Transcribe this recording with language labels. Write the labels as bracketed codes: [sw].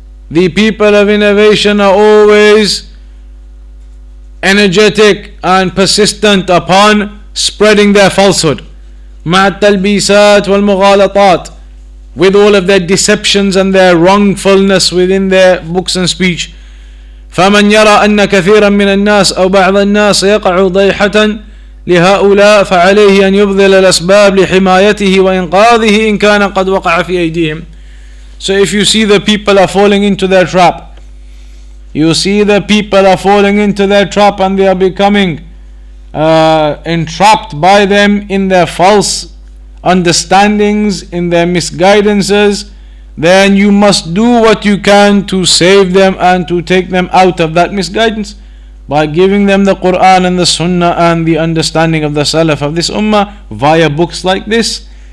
[en] The people of innovation are always energetic and persistent upon spreading their falsehood. [ar] مع التلبيسات والمغالطات, [en] with all of their deceptions and their wrongfulness within their books and speech. [ar] فمن يرى أن كثيرا من الناس أو بعض الناس يقع ضيحة لهؤلاء فعليه أن يبذل الأسباب لحمايته وإنقاذه إن كان قد وقع في أيديهم. [en] So if you see the people are falling into their trap, You see the people are falling into their trap and they are becoming entrapped by them in their false understandings, in their misguidances, then you must do what you can to save them and to take them out of that misguidance by giving them the Quran and the Sunnah and the understanding of the Salaf of this Ummah via books like this.